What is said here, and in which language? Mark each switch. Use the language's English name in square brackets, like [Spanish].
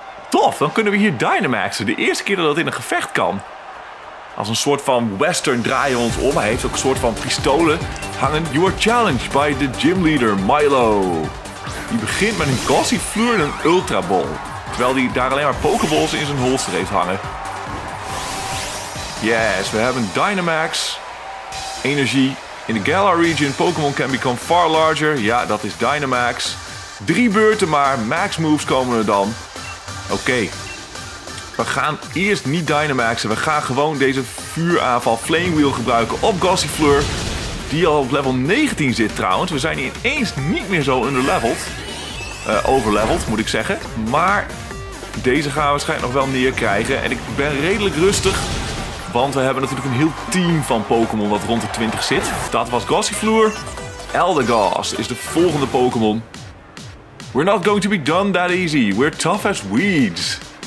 [Dutch] Tof, dan kunnen we hier Dynamaxen. De eerste keer dat dat in een gevecht kan. Als een soort van western draaien we ons om. Hij heeft ook een soort van pistolen hangen. [English] You are challenged by the gym leader, Milo. [Dutch] Die begint met een Gossifleur en een Ultra Ball. Terwijl hij daar alleen maar Pokeballs in zijn holster heeft hangen. Yes, we hebben Dynamax. Energie. In de [English] Galar region, Pokémon can become far larger. [Dutch] Ja, dat is Dynamax. 3 beurten maar. Max moves komen er dan. Oké. We gaan eerst niet Dynamaxen. We gaan gewoon deze vuuraanval Flame Wheel gebruiken op Gossifleur. Die al op level 19 zit trouwens. We zijn ineens niet meer zo underleveled. Overleveled moet ik zeggen. Maar deze gaan we waarschijnlijk nog wel neerkrijgen. En ik ben redelijk rustig. Want we hebben natuurlijk een heel team van Pokémon dat rond de 20 zit. Dat was Gossifleur. Eldegoss is de volgende Pokémon. [English] We're not going to be done that easy. We're tough as weeds.